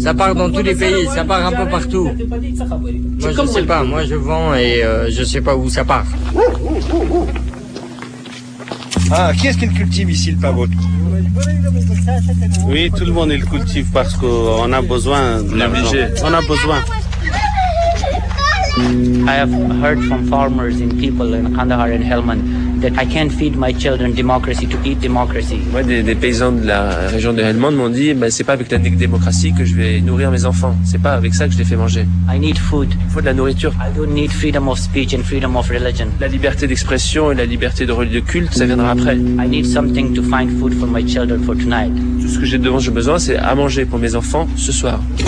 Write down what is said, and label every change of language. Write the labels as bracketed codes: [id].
[fr] ça part dans tous les pays ça part un peu partout moi je sais pas moi je vends et je sais pas où ça part ah qui est-ce qui le cultive ici le pavot oui tout le monde il cultive parce que on a besoin on a besoin [en] I have heard from farmers and people in Kandahar and Helmand that I can't feed my children democracy to eat democracy. [fr] Ouais, des paysans de la région de Helmand m'ont dit, ben c'est pas avec la démocratie que je vais nourrir mes enfants. C'est pas avec ça que je les fais manger. [en] I need food. [fr] Il faut de la nourriture. [en] I don't need freedom of speech and freedom of religion. [fr] La liberté d'expression et la liberté de religion de culte, ça viendra après. [en] I need something to find food for my children for tonight. [fr] Tout ce que j'ai devant, j'ai besoin, c'est à manger pour mes enfants ce soir.